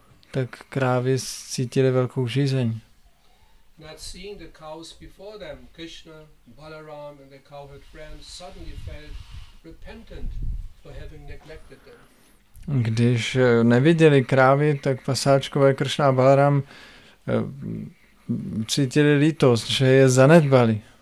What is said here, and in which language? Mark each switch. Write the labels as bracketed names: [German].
[Czech] Tak krávy cítily velkou žízeň. [English] Not seeing the cows before them, Krishna, Balaram and their cowherd friends suddenly felt repentant for having neglected them. [Czech] Když neviděli krávy, tak pasáčkové Krishna a Balaram cítili lítost, že je zanedbali.